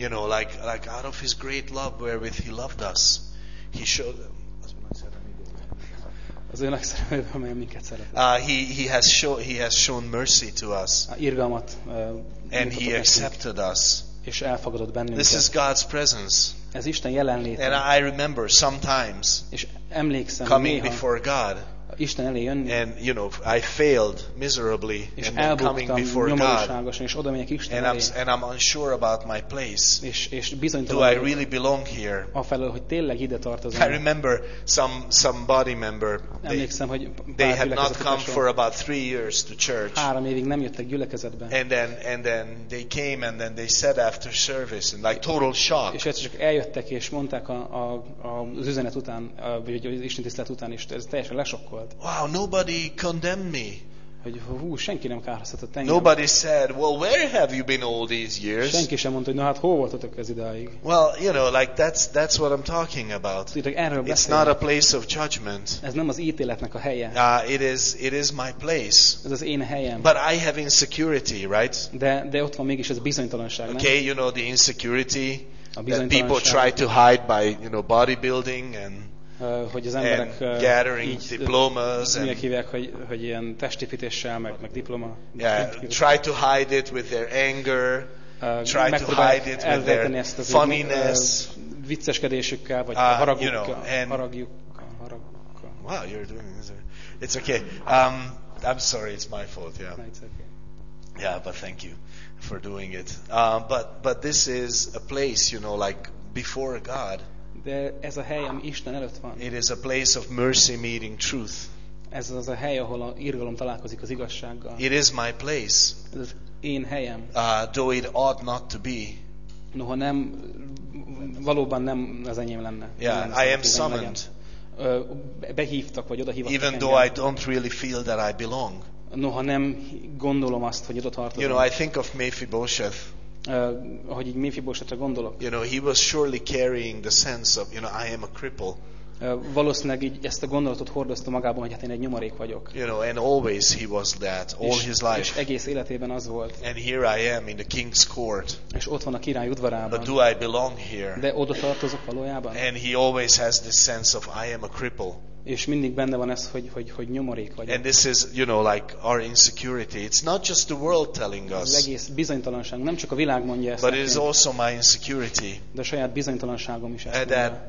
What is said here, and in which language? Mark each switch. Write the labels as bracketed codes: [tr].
[en] You know, like out of his great love wherewith he loved us, he showed them. [hu] Az önök szerelmében, amely minket szeretett. [en] He has shown mercy to us. [hu] Irgalmat, [en] and he accepted us. [hu] És elfogadott bennünket. [en] This is God's presence. [hu] Ez Isten jelenléte. [en] And I remember sometimes. [hu] És emlékszem [en] coming before God. [hu] Isten elé jönni. [en] And you know, I failed miserably and coming before God. [hu] És oda megyek Isten elé. [en] And I'm unsure about my place. [hu] És bizonytalan. [en] Do I really belong here? [hu] Afelől, hogy tényleg ide tartozom. [en] I remember some body member. [hu] Emlékszem, hogy [en] they had not come for about 3 years to church. [hu] 3 évig nem jöttek gyülekezetbe. [en] And then they came and then they said after service and like total shock. [hu] És egyszer csak eljöttek és mondták az üzenet után, vagy az Isten tisztelet után is, ez teljesen lesokkolt. [en] Wow, nobody condemned me. [hu] Hogy senki nem kárhoztatott engem. [en] Nobody said, "Well, where have you been all these years?" [hu] Senki sem mondta, hogy na hát hol voltatok ez idáig? [en] Well, you know, like that's what I'm talking about. It's not a place of judgment. [hu] Ez nem az ítéletnek a helye. [en] It is my place. [hu] Ez az én helyem. [en] But I have insecurity, right? [hu] De ott van mégis ez a bizonytalanság, nem? [en] Okay, you know the insecurity that people try to hide by, you know, bodybuilding and [hu] hogy az emberek [en] gathering diplomas [hu] and hívják, hogy ilyen testépítéssel meg diploma. [en] Yeah, try to hide it with their anger, try to hide it with their funniness, [hu] vicceskedésükkel vagy haragjukkal. [en] Wow, you're doing this. It's okay. I'm sorry, it's my fault, yeah. No, it's okay. Yeah, but thank you for doing it. But this is a place, you know, like before God. [hu] De ez a hely, ami Isten előtt van. [en] It is a place of mercy meeting truth. [hu] Ez az a hely, ahol a irgalom találkozik az igazsággal. [en] It is my place. [hu] Ez az én helyem. [en] Though it ought not to be. [hu] Noha nem, valóban nem az enyém lenne. [en] Yeah, I am summoned. [hu] Behívtak vagy odahívtak. [en] Even though I don't really feel that I belong. [hu] Noha nem gondolom azt, hogy oda tartozom. [en] You know, I think of Mephibosheth. [hu] Hogy így Mephibosethre gondolok. [en] You know, he was surely carrying the sense of, you know, I am a cripple. [hu] Valószínűleg így ezt a gondolatot hordozta magában, hogy hát én egy nyomorék vagyok. [en] You know, and always he was that, all his life. [hu] És egész életében az volt. [en] And here I am in the king's court. [hu] És ott van a király udvarában. [en] But do I belong here? [hu] De oda tartozok valójában? [en] And he always has this sense of I am a cripple. [hu] És mindig benne van ez, hogy nyomorék vagyok. [en] And this is, you know, like our insecurity. It's not just the world telling us. [hu] Ez egész bizonytalanság, nem csak a világ mondja ezt. [en] But it is also my insecurity. [hu] De saját bizonytalanságom is ezt mondja.